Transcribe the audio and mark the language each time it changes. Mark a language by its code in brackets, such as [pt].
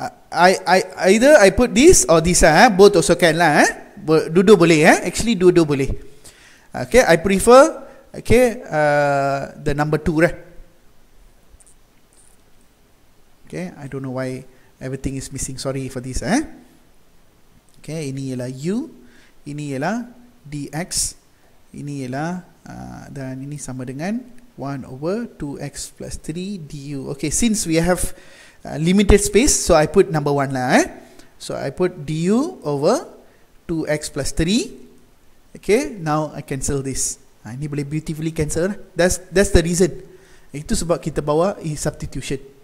[en] Either I put this or this. Both also can lah. [ms] Dua-dua boleh. [en] Actually, [ms] dua-dua boleh. [en] Okay, I prefer. Okay, the number 2. Right? Okay, I don't know why everything is missing. Sorry for this. [ms] Okay, ini ialah u, ini ialah dx, ini ialah dan ini sama dengan 1 over 2x plus 3 du. [en] Okay, since we have limited space, so I put number 1 lah. So I put du over 2x plus 3. Okay, now I cancel this. [ms] Ini boleh beautifully cancel. [en] That's the reason. [ms] Itu sebab kita bawa substitution.